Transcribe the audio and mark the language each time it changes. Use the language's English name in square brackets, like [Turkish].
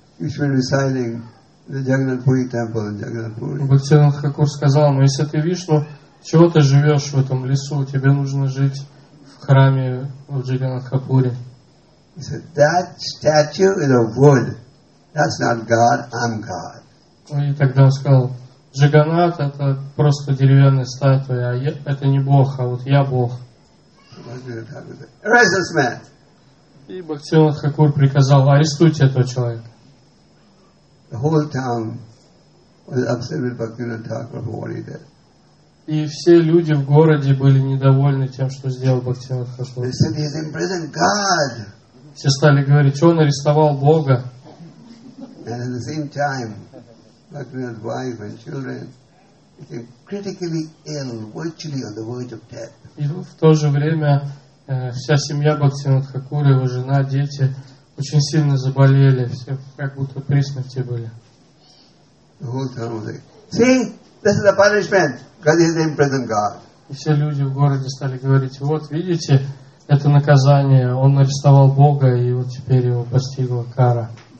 [English] You should be residing in the Jagannath Puri temple in Jagannath Puri. [Russian] Бхактивинода Тхакур сказал: "Но если ты Вишну, чего ты живешь в этом лесу? Тебе нужно жить в храме в Джаганнатхапуре." [English] He said, "That statue in the wood, that's not God. I'm God." [Russian] И тогда он сказал: "Джаганнат — это просто деревянная статуя, а я, это не Бог, а вот я Бог." [English] Arrest this man. [Russian] И Бхактивинода Тхакур приказал: "Арестуйте этого человека." [English] The whole town was upset with Bhaktivinoda Thakur for what he did. [Russian] И все люди в городе были недовольны тем, что сделал Бхактивинода Тхакур. [English] They said, "He's imprisoned God." [Russian] Все стали говорить, что он арестовал Бога. [English] And at the same time, Bhaktivinoda's wife and children became critically ill, virtually on the verge of death. [Russian] И в то же время вся семья Бхактивинода Хакура, его жена, дети очень сильно заболели, все как будто при смерти были. [English] The whole town was like, see, this is the punishment. God is the imprisoned God. [Russian] И все люди в городе стали говорить, вот, видите, это наказание. Он арестовал Бога, и вот теперь его постигла кара.